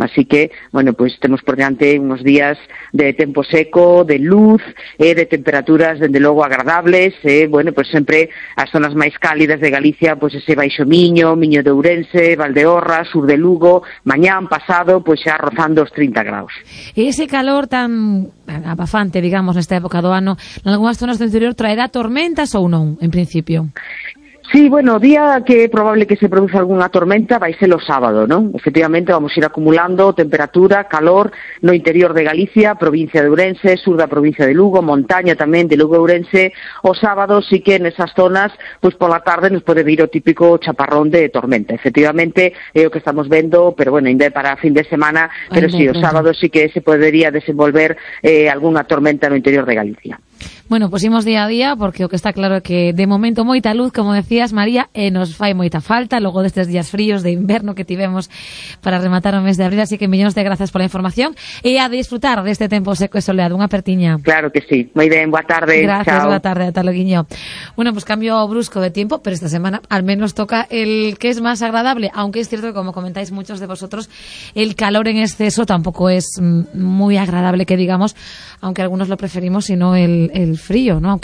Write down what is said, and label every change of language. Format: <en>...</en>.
<gl>Así que, bueno, pois, temos por diante unos días de tempo seco, de luz, de temperaturas, dende logo, agradables, bueno, pois, sempre as zonas máis cálidas de Galicia, pois, ese Baixo Miño, Miño de Ourense, Valdeorra, sur de Lugo, mañán pasado,</gl> <es>pues ya rozando los 30 grados. Y ese calor tan abafante, digamos, en esta época</es> <gl>do ano,</gl> <es>en algunas zonas del interior, ¿traerá tormentas o no, en principio?</es> <gl>Sí, bueno, día que é probable que se produza alguna tormenta vai ser o sábado, ¿no? Efectivamente, vamos a ir acumulando temperatura, calor no interior de Galicia, provincia de Ourense, sur da provincia de Lugo, montaña tamén de Lugo Ourense. O sábado sí que en esas zonas, pues pola tarde nos pode vir o típico chaparrón de tormenta. Efectivamente, é o que estamos vendo, pero bueno, ainda para fin de semana, pero sí, o sábado sí que se podería desenvolver alguna tormenta no interior de Galicia. Bueno, pues imos día a día, porque o que está claro é que de momento moita luz, como decías, María, nos fai moita falta, logo destes días fríos de inverno que tivemos para rematar o mes de abril, así que millóns de grazas pola información e a disfrutar deste tempo seco e soleado. Unha pertiña. Claro que sí. Moi ben, boa tarde. Gracias, boa tarde, ata loguiño.</gl> <es>Bueno, pues cambio brusco de tiempo, pero esta semana al menos toca el que es más agradable, aunque es cierto que, como comentáis muchos de vosotros, el calor en exceso tampoco es muy agradable, que digamos, aunque algunos lo preferimos, sino el frío, ¿no?</es>